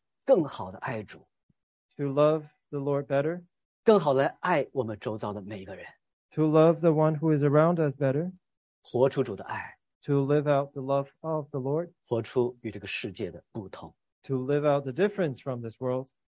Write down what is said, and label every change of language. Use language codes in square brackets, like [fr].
[zh] 更好的爱主。 [en] To love the Lord better. [zh] 更好的爱我们周遭的每一个人。 [en] To love the one who is around us better. [zh] 活出主的爱。 [en] To live out the love of the Lord. [zh] 活出与这个世界的不同。 [en] To live out the difference from this world.